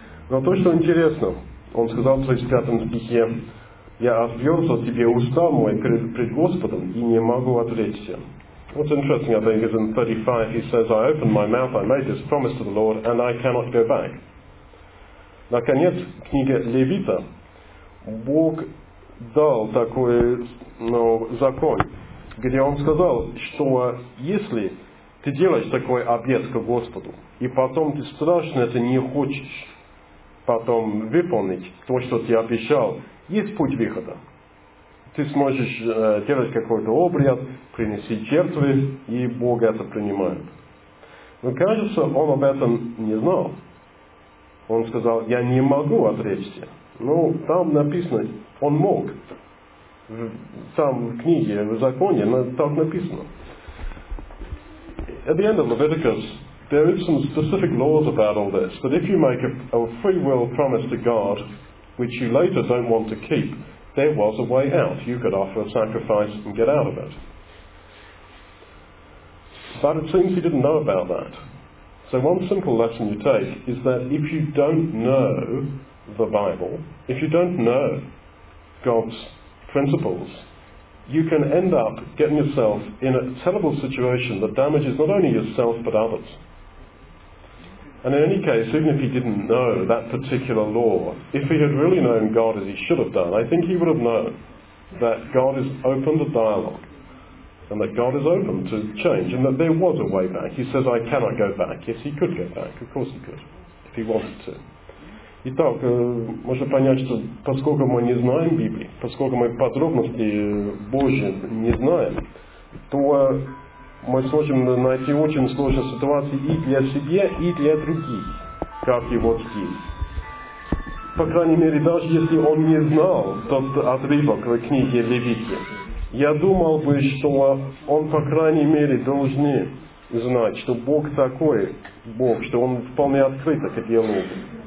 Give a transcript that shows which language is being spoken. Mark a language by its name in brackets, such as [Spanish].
[Russian] Но то, что интересно, он сказал в 35 стихе, я отверз от тебя уста мой пред Господом и не могу отречься. [English] What's interesting, I think, is in 35 he says, I opened my mouth, I made this promise to the Lord, and I cannot go back. [Russian] Наконец, книга Левита, Бог дал такой закон, где он сказал, что если ты делаешь такой обет к Господу, и потом ты страшно это не хочешь потом выполнить то, что ты обещал, есть путь выхода. Ты сможешь делать какой-то обряд, принести жертвы, и Бог это принимает. Но кажется, он об этом не знал. Он сказал, я не могу отречься. Ну, там написано, он мог. Там в книге, в законе, так написано. [English] At the end of Leviticus, there is some specific laws about all this, that if you make a free will promise to God, which you later don't want to keep, there was a way out. You could offer a sacrifice and get out of it. But it seems he didn't know about that. So one simple lesson you take is that if you don't know the Bible, if you don't know God's principles, you can end up getting yourself in a terrible situation that damages not only yourself but others. And in any case, even if he didn't know that particular law, if he had really known God as he should have done, I think he would have known that God has opened the dialogue and that God is open to change and that there was a way back. He says, I cannot go back. Yes, he could go back. Of course he could, if he wanted to. [Russian] И так, можно понять, что поскольку мы не знаем Библии, поскольку мы подробности Божьи не знаем, то мы сможем найти очень сложные ситуации и для себя, и для других, как его стиль. По крайней мере, даже если он не знал тот отрывок в книге Левитии, я думал бы, что он, по крайней мере, должен знать, что Бог такой Бог, что он вполне открыт к диалогу.